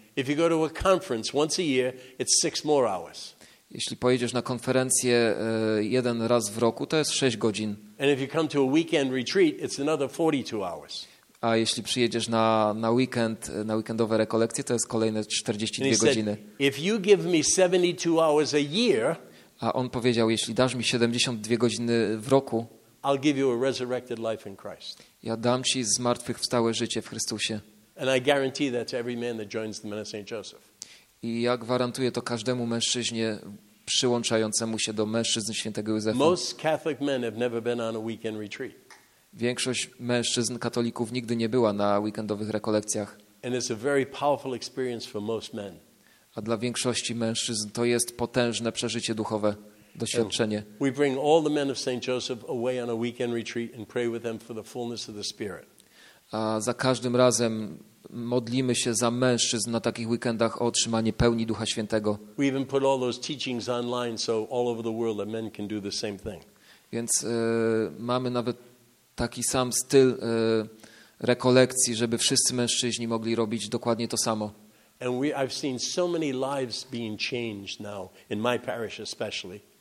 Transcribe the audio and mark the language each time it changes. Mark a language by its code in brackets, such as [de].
[en] If you go to a conference once a year, it's 6 more hours. [pl] Jeśli pojedziesz na konferencję jeden raz w roku, to jest 6 godzin. [en] And if you come to a weekend retreat, it's another 42 hours. [pl] A jeśli przyjedziesz na weekend, na weekendowe rekolekcje, to jest kolejne 42 godziny. [en] If you give me 72 hours a year, [pl] a on powiedział, jeśli dasz mi 72 godziny w roku, [en] I'll give you a resurrected life in Christ. [pl] Ja dam ci zmartwychwstałe życie w Chrystusie. [en] And I guarantee that to every man that joins the men of St. Joseph. [pl] I ja gwarantuję to każdemu mężczyźnie przyłączającemu się do mężczyzn Świętego Józefa. [en] Most Catholic men have never been on a weekend retreat. [pl] Większość mężczyzn katolików nigdy nie była na weekendowych rekolekcjach. [en] And it's a very powerful experience for most men. [pl] A dla większości mężczyzn to jest potężne przeżycie duchowe, doświadczenie. [en] And we bring all the men of St. Joseph away on a weekend retreat and pray with them for the fullness of the Spirit. [pl] A za każdym razem modlimy się za mężczyzn na takich weekendach o otrzymanie pełni Ducha Świętego. [en] We even put all those teachings online so all over the world that men can do the same thing. [pl] Więc mamy nawet taki sam styl rekolekcji, żeby wszyscy mężczyźni mogli robić dokładnie to samo. [en] And I've seen so many lives being changed now in my parish especially.